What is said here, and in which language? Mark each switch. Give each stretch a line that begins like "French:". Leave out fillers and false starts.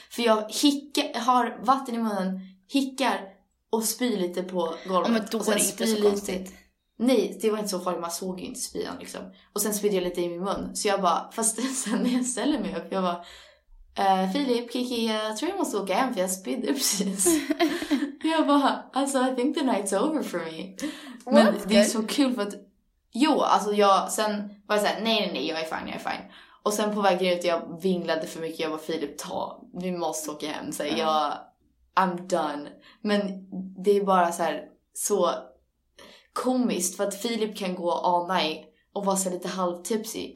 Swedish: För jag har vatten i munnen, hickar och spyr lite på golvet. Ja, men då och sen är det inte så konstigt. Lite. Nej, det var inte så farligt. Man såg ju inte spyan liksom. Och sen spydde jag lite i min mun. Så jag bara, fast sen när jag ställer mig upp. Jag bara, Filip, Kiki, jag tror jag måste åka hem för jag spydde precis. Jag bara, alltså
English: I think the night's over for me.
Swedish: Men
English: what?
Swedish: Det är så kul för att, jo, alltså jag, sen var jag såhär, nej, jag är fine. Och sen på vägen ut, jag vinglade för mycket, jag bara, Filip, ta, vi måste åka hem. Så jag,
English: I'm done.
Swedish: Men det är bara så här så komiskt för att Filip kan gå
English: all night
Swedish: och vara så lite halvtipsy.